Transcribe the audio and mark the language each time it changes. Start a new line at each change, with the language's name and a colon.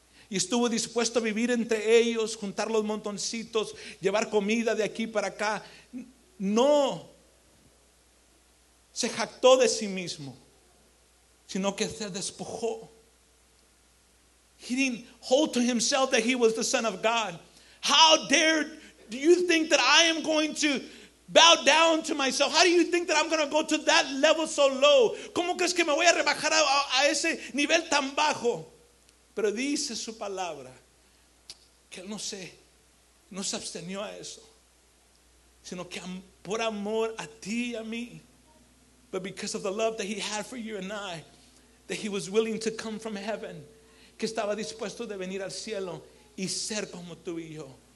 Spanish: Y estuvo dispuesto a vivir entre ellos, juntar los montoncitos, llevar comida de aquí para acá. No se jactó de sí mismo, sino que se despojó.
English: He didn't hold to himself that he was the Son of God. How dare do you think that I am going to bow down to myself? How do you think that I'm going to go to that level so low?
Spanish: ¿Cómo crees que me voy a rebajar a ese nivel tan bajo? Pero dice su palabra que él no se abstenió a eso, sino que por amor a ti y a mí,
English: but because of the love that he had for you and I,
Spanish: that he was willing to come from heaven, que estaba dispuesto de venir al cielo y ser como tú y yo.